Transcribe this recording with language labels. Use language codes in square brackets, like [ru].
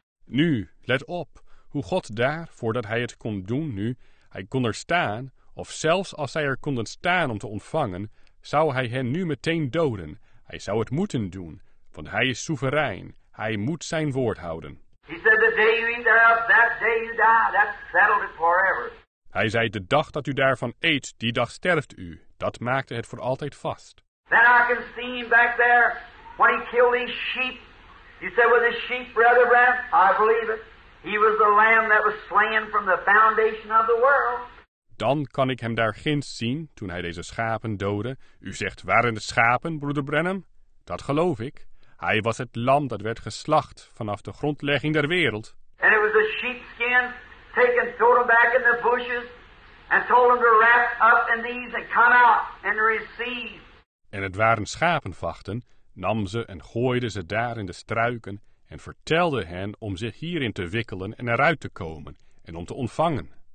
[nl] Nu, let op, hoe God daar, voordat hij het kon doen nu, hij kon er staan, of zelfs als zij er konden staan om te ontvangen, zou hij hen nu meteen doden. Hij zou het moeten doen, want hij is soeverein. Hij moet zijn woord houden. [en] He said, the day you eat thereof, that day you die. That settled it forever. [nl] Hij zei, de dag dat u daarvan eet, die dag sterft u. Dat maakte het voor altijd vast. [en] Then I can see him back there. When he killed his sheep, he said, with his sheep, brother Brad, I believe it. He was the lamb that was slain from the foundation of the world. [nl] Dan kan ik hem daar ginds zien, toen hij deze schapen doodde. U zegt, waren de schapen, broeder Branham? Dat geloof ik. Hij was het lam dat werd geslacht vanaf de grondlegging der wereld. [en] And it was a sheepskin taken, throw them back in the bushes, and told them to wrap up in these and come out and receive. [nl] En het waren schapenvachten. Nam ze en gooide ze daar in de struiken en vertelde hen om zich hierin te wikkelen en eruit te komen en om te ontvangen.